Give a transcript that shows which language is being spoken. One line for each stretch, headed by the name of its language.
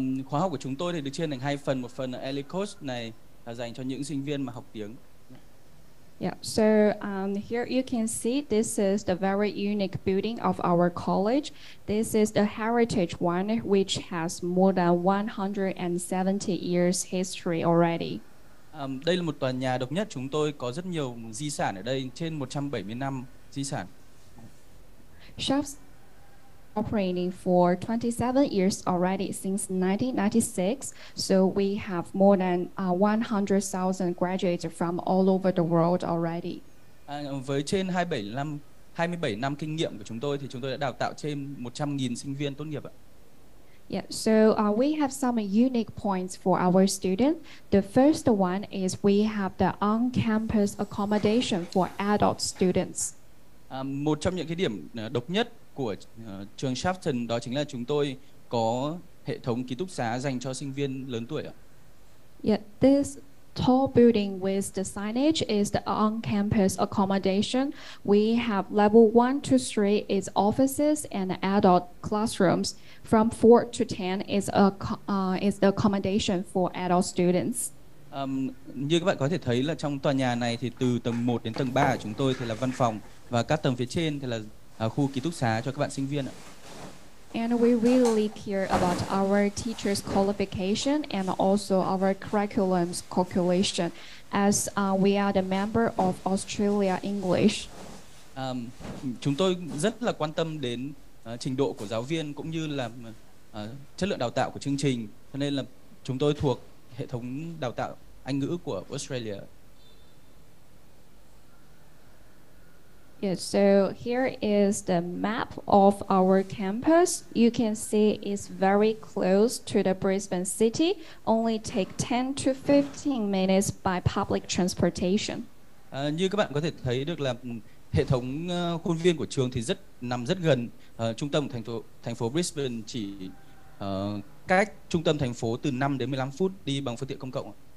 Vietnamese: Khóa học của chúng tôi thì được chia thành hai phần. Một phần là ELLI course này là dành cho những sinh viên mà học tiếng.
English: Yeah, so here you can see this is the very unique building of our college. This is the heritage one, which has more than 170 years history already.
Vietnamese: Đây là một tòa nhà độc nhất. Chúng tôi có rất nhiều di sản ở đây, trên 170 năm di sản.
English: Shops operating for 27 years already since 1996. So we have more than 100,000 graduates from all over the world already.
Vietnamese: Với trên 27 năm kinh nghiệm của chúng tôi thì chúng tôi đã đào tạo trên 100,000 sinh viên tốt nghiệp ạ.
English: Yeah, so we have some unique points for our students. The first one is we have the on-campus accommodation for adult students.
Vietnamese: Một trong những cái điểm độc nhất của trường Sapton đó chính là chúng tôi có hệ thống ký túc xá dành cho sinh viên lớn tuổi ạ.
English: Yeah, this tall building with the signage is the on-campus accommodation. We have level 1 to 3 is offices and adult classrooms. From 4 to 10 is the accommodation for adult students.
Vietnamese: Như các bạn có thể thấy là trong tòa nhà này thì từ tầng 1 đến tầng 3 của chúng tôi thì là văn phòng và các tầng phía trên thì là khu ký túc xá cho các bạn sinh viên ạ.
English: And we really care about our teachers' qualification and also our curriculum's calculation as we are the member of Australia English.
Vietnamese: Chúng tôi rất là quan tâm đến trình độ của giáo viên cũng như là chất lượng đào tạo của chương trình, cho nên là chúng tôi thuộc hệ thống đào tạo Anh ngữ của Australia.
English: Yes, so here is the map of our campus. You can see it's very close to the Brisbane city, only take 10 to 15 minutes by public transportation.
Vietnamese: Như các bạn có thể thấy được là hệ thống khuôn viên của trường thì rất nằm rất gần trung tâm thành phố Brisbane, chỉ cách trung tâm thành phố từ 5 đến 15 phút đi bằng phương tiện công cộng.